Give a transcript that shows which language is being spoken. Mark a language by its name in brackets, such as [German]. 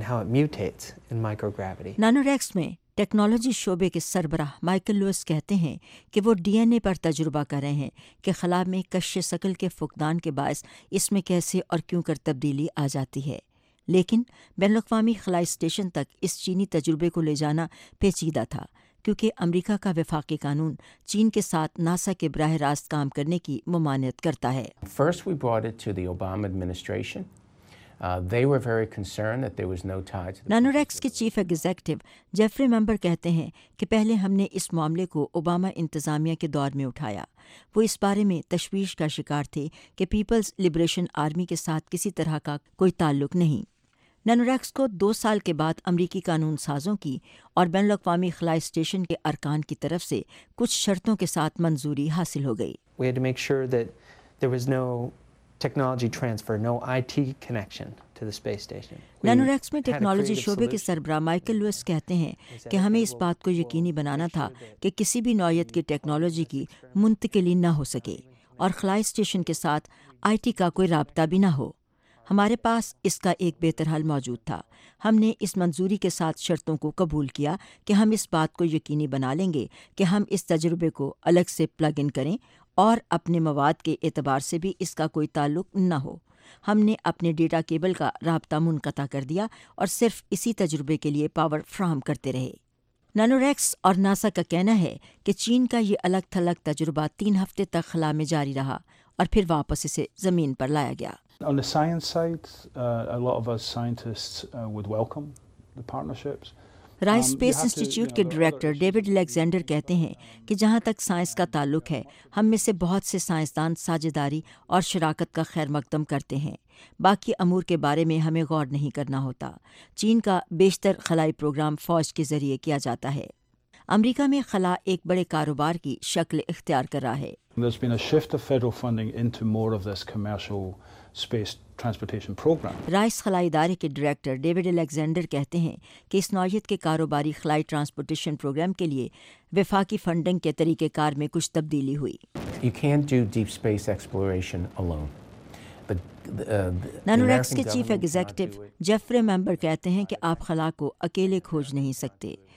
[Urdu] نانو racks میں technology شعبے کے سربراہ مائیکل لوئس کہتے ہیں کہ وہ ڈی این اے پر تجربہ کر رہے ہیں کہ خلا میں کشش ثقل کے فقدان کے باعث اس میں کیسے اور کیوں کر تبدیلی آ جاتی ہے. لیکن بین الاقوامی خلائی اسٹیشن تک اس چینی تجربے کو لے جانا پیچیدہ تھا کیونکہ امریکہ کا وفاقی قانون چین کے ساتھ ناسا کے براہ راست کام کرنے کی ممانعت کرتا ہے. [English] First we brought it to the Obama administration. They were very concerned that there was no tie to the [Urdu] nano racks کے چیف ایگزیکٹو جیفری ممبر کہتے ہیں کہ پہلے ہم نے اس معاملے کو اوباما انتظامیہ کے دور میں اٹھایا. وہ اس بارے میں تشویش کا شکار تھے کہ پیپلز لبریشن آرمی کے ساتھ کسی طرح کا کوئی تعلق نہیں. نانو ریکس کو 2 سال کے بعد امریکی قانون سازوں کی اور بین الاقوامی خلائی اسٹیشن کے ارکان کی طرف سے کچھ شرطوں کے ساتھ منظوری حاصل ہو گئی. [English] We had to make sure that there was no technology transfer, no IT connection to the space station. [Urdu] Nano racks میں ٹیکنالوجی شعبے کے سربراہ مائیکل لوئس کہتے ہیں کہ ہمیں اس بات کو یقینی بنانا تھا کہ کسی بھی نوعیت کی ٹیکنالوجی کی منتقلی نہ ہو سکے اور خلائی اسٹیشن کے ساتھ آئی ٹی کا کوئی رابطہ بھی نہ ہو. ہمارے پاس اس کا ایک بہتر حل موجود تھا. ہم نے اس منظوری کے ساتھ شرطوں کو قبول کیا کہ ہم اس بات کو یقینی بنا لیں گے کہ ہم اس تجربے کو الگ سے پلگ ان کریں اور اپنے مواد کے اعتبار سے بھی اس کا کوئی تعلق نہ ہو. ہم نے اپنے ڈیٹا کیبل کا رابطہ منقطع کر دیا اور صرف اسی تجربے کے لیے پاور فراہم کرتے رہے. نانو ریکس اور ناسا کا کہنا ہے کہ چین کا یہ الگ تھلگ تجربہ 3 ہفتے تک خلا میں جاری رہا اور پھر واپس اسے زمین پر لایا گیا. [English] On the science side, a lot of us scientists would welcome the partnerships. [Urdu] Rice Space Institute کے ڈائریکٹر ڈیوڈ الیگزینڈر کہتے ہیں کہ جہاں تک سائنس کا تعلق ہے ہم میں سے بہت سے سائنسدان ساجداری اور شراکت کا خیر مقدم کرتے ہیں. باقی امور کے بارے میں ہمیں غور نہیں کرنا ہوتا. چین کا بیشتر خلائی پروگرام فوج کے ذریعے کیا جاتا ہے. امریکہ میں خلا ایک بڑے کاروبار کی شکل اختیار کر رہا ہے. [English] There's been a shift of federal funding into more of this commercial space transportation program. [Urdu] Rice خلائی ادارے کے ڈائریکٹر ڈیوڈ الیگزینڈر کہتے ہیں کہ اس نوعیت کے کاروباری خلائی ٹرانسپورٹیشن پروگرام کے لیے وفاقی فنڈنگ کے طریقہ کار میں کچھ تبدیلی ہوئی. [English] You can't do deep space exploration alone. [Urdu] Nano racks کے چیف ایگزیکٹو جیفری ممبر کہتے ہیں کہ آپ خلا کو اکیلے کھوج نہیں سکتے.